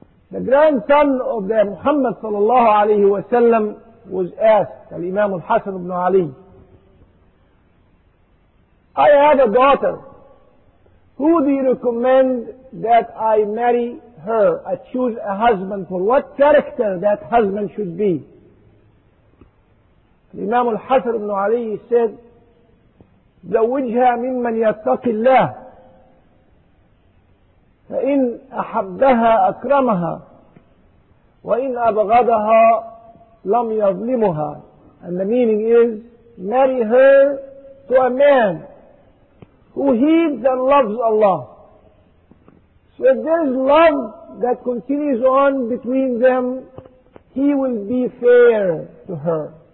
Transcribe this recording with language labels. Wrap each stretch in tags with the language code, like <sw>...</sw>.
<en>The grandson of the Muhammad sallallahu alayhi wa sallam was asked, Al-Imam Al-Hasan ibn Ali, I had a daughter, who do you recommend that I marry her? I choose a husband for. What character that husband should be? Imam Al-Hasan ibn Ali said,</en> <ar>زوجها ممن يتقي الله فإن أحبها أكرمها وإن أبغضها لم يظلمها.</ar> <en>And the meaning is, marry her to a man who heeds and loves Allah. So if there is love that continues on between them, he will be fair to her.</en>